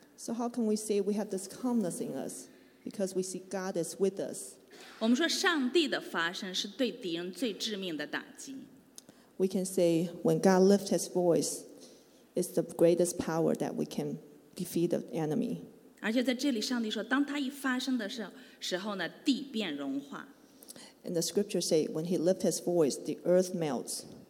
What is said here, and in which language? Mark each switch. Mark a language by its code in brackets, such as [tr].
[en] So how can we say we have this calmness in us? Because we see God is with us. [zh] 我们说上帝的发声是对敌人最致命的打击。 [en] We can say when God lifts his voice, it's the greatest power that we can defeat the enemy. [zh] 而且在这里上帝说，当他一发声的时候，地变融化。 [en] And the scripture say, when he lifts his voice, the earth melts.